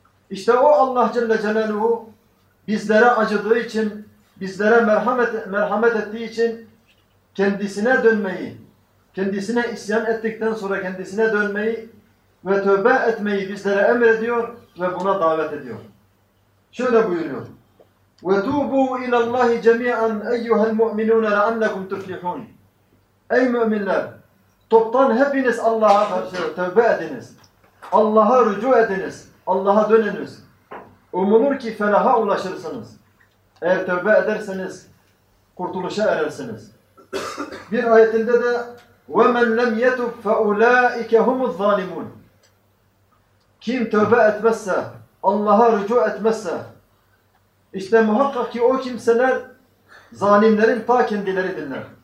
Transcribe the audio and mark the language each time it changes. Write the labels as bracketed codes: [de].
[tr] İşte o Allah Celle Celaluhu bizlere acıdığı için, bizlere merhamet ettiği için kendisine dönmeyi, kendisine isyan ettikten sonra kendisine dönmeyi ve tövbe etmeyi bizlere emrediyor ve buna davet ediyor. Şöyle buyuruyor. [ar] وَتُوبُوا اِلَى اللّٰهِ جَمِيعًا اَيُّهَا الْمُؤْمِنُونَ لَعَلَّكُمْ تُفْلِحُونَ [tr] Ey müminler! Toptan hepiniz Allah'a karşı tövbe ediniz. Allah'a rücu ediniz. Allah'a döneniz. Umulur ki felaha ulaşırsınız. Eğer tövbe ederseniz kurtuluşa erersiniz. Bir ayetinde de [ar] وَمَنْ لَمْ يَتُبْ فَاُولَٰئِكَ هُمُ الظَّالِمُونَ [tr] Kim tövbe etmezse, Allah'a rücu etmezse, işte muhakkak ki o kimseler zalimlerin ta kendileridirler.